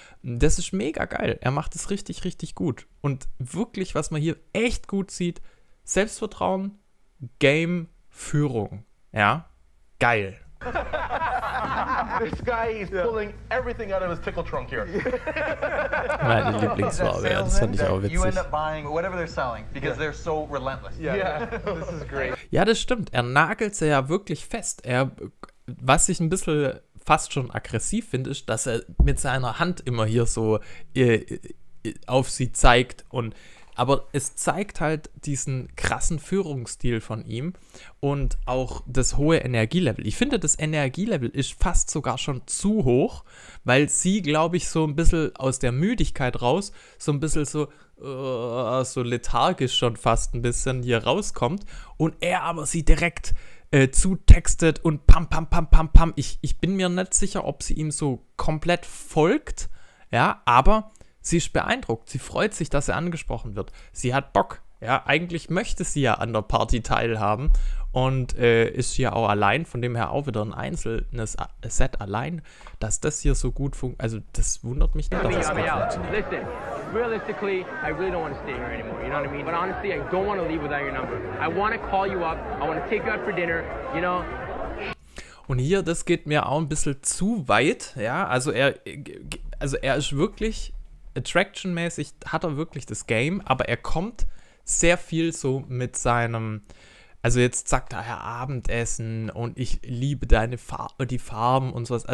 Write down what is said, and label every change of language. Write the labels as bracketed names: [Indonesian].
[German] Das ist mega geil. Er macht es richtig, richtig gut. Und wirklich, was man hier echt gut sieht, Selbstvertrauen, Game, Führung. Ja, geil. [English] This guy is pulling everything out of his tickle trunk here. [German] Meine Lieblingsfarbe, ja, das fand ich auch witzig. [English] You end up buying whatever they're selling, because they're so relentless. Yeah, this is great. [German] Ja, das stimmt. Er nagelt sie ja wirklich fest. Was ich ein bisschen fast schon aggressiv finde, ist, dass er mit seiner Hand immer hier so auf sie zeigt. Aber es zeigt halt diesen krassen Führungsstil von ihm und auch das hohe Energielevel. Ich finde, das Energielevel ist fast sogar schon zu hoch, weil sie, glaube ich, so ein bisschen aus der Müdigkeit raus, so ein bisschen so lethargisch schon fast ein bisschen hier rauskommt und er aber sie direkt zutextet und pam, pam, pam, pam, pam. Ich bin mir nicht sicher, ob sie ihm so komplett folgt, ja, aber sie ist beeindruckt. Sie freut sich, dass er angesprochen wird. Sie hat Bock. Ja, eigentlich möchte sie ja an der Party teilhaben und ist ja auch allein, von dem her auch wieder ein einzelnes Set allein, dass das hier so gut funktioniert. Also das wundert mich nicht, dass das gut funktioniert. [English] Listen, realistically, I really don't want to stay here anymore, you know what I mean? But honestly, I don't want to leave without your number. I want to call you up, I want to take you out for dinner, you know? [German] Und hier, das geht mir auch ein bisschen zu weit, ja, also er ist wirklich attraction-mäßig, hat er wirklich das Game, aber er kommt sehr viel so mit seinem, also jetzt sagt er ja Abendessen und ich liebe deine die Farben und sowas.